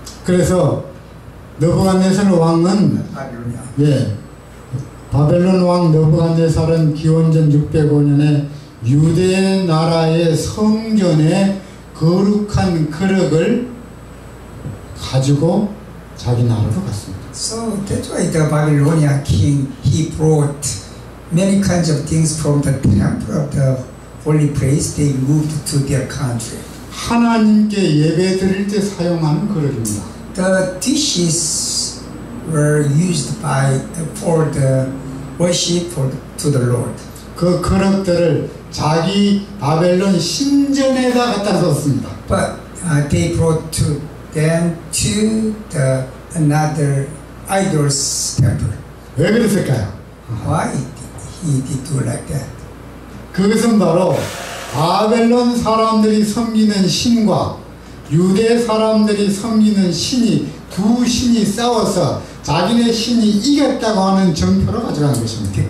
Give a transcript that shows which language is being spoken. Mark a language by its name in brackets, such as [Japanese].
[Korean] 그래서 느부갓네살 왕은 바벨론이야. 예. 바벨론 왕 느부갓네살은 기원전 605년에 유대 나라의 성전에 거룩한 그릇을 가지고 자기 나라로 갔습니다. [English] So that's why the Babylonian king he brought many kinds of things from the temple of the holy place. They moved to their country. [Korean] 하나님께 예배드릴 때 사용하는 그릇입니다. [English] The dishes were used by for the worship for to the Lord. [Korean] 그 그릇들을 자기 바벨론 신전에다 갖다 썼습니다. [English] But they brought to them to the another idol's temple. [Korean] 왜 그랬을까요? [English] Why he did do like that? [Korean] 그것은 바로 바벨론 사람들이 섬기는 신과 유대 사람들이 섬기는 신이 두 신이 싸워서 자기네 신이 이겼다고 하는 증표로 가져간 것입니다.